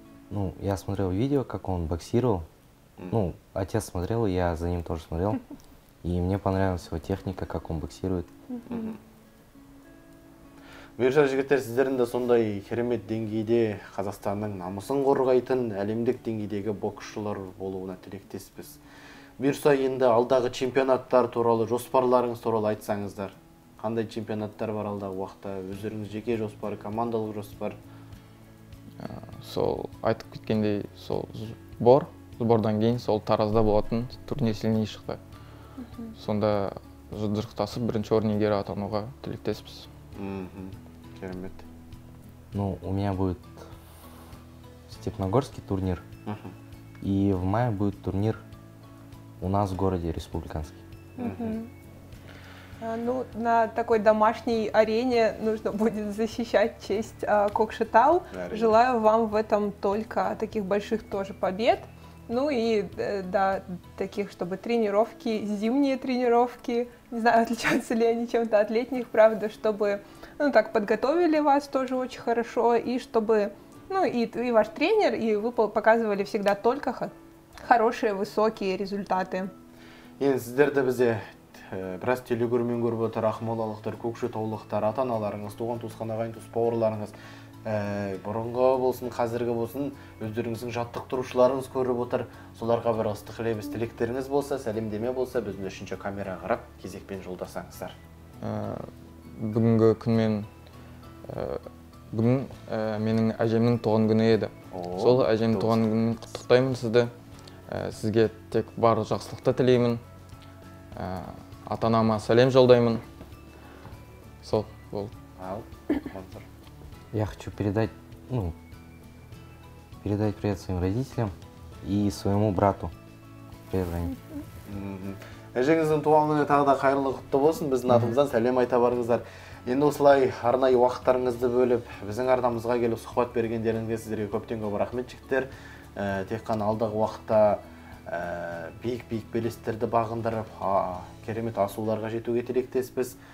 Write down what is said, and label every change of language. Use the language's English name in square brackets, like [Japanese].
[Russian] Ну, я смотрел видео, как он боксировал. Ну, отец смотрел, я за ним тоже смотрел. И мне понравилась его техника, как он боксирует. [Kazakh] Бұйырса, жігіттер, сіздерінде сондай керемет деңгейде Қазақстанның намысын қорғайтын әлемдік деңгейдегі боксшылар болуына тілектеспіз. Бұйырса, енді алдағы чемпионаттар туралы, жоспарларыңыз туралы айтсаңыздар. Қандай чемпионаттар бар алдағы уақытта? Өздеріңіз жеке жоспар, командалық жоспар? Сол айтып кеткенде, сол сбордан кейін сол Таразда болатын турнир сілтеме шықты. Сонда жұдырықтасып, бірінші орын иегері атануға тілектеспіз. Керемет. [Russian] Ну, у меня будет Степногорский турнир. И в мае будет турнир у нас в городе Республиканский. Ну, на такой домашней арене нужно будет защищать честь Кокшетау. Желаю вам в этом только таких больших тоже побед. Ну и да, таких, чтобы тренировки, зимние тренировки, не знаю, отличаются ли они чем-то от летних, правда, чтобы, ну так, подготовили вас тоже очень хорошо, и чтобы, ну и ваш тренер, и вы показывали всегда только хорошие, высокие результаты. [Kazakh] Енді сіздерді бізде біраз телегурмен көріп отыр, ақмолалықтар, көкшетаулықтар, ата-аналарыңыз, туған-туысқан ағайын-туыс, бауырларыңыз. Бұрынғы болсын, қазіргі болсын, өздеріңіздің жаттықтырушыларыңыз көріп отыр. Соларға бір ыстық лебіз тілектеріңіз болса, сәлемдеме болса, біздің үшінші камера қарап, кезекпен жолдасаңыздар. Бүгінгі күнмен, бүгін менің әжемнің туған күні еді. Сол әжемнің туған күнін құттықтаймын сізді. Сізге тек бар жақсылықты тілеймін. Ата-анама сәлем жолдаймын. Сол болды. [Russian] Я хочу передать, ну, передать привет своим родителям и своему брату. Привет, Рани. [Kazakh] Әжеңіздің туған күні тағы да қайырлы құтты болсын. Біздің атымыздан сәлем айта барыңыздар. Енді осылай арнайы уақыттарыңызды бөліп, біздің арнамызға келіп сұхбат бергендеріңізге сіздерге көптен көп рахмет жігіттер. Тек қана алдағы уақытта биік-биік белестерді бағындырып, керемет асуларға жетуге тілектеспіз.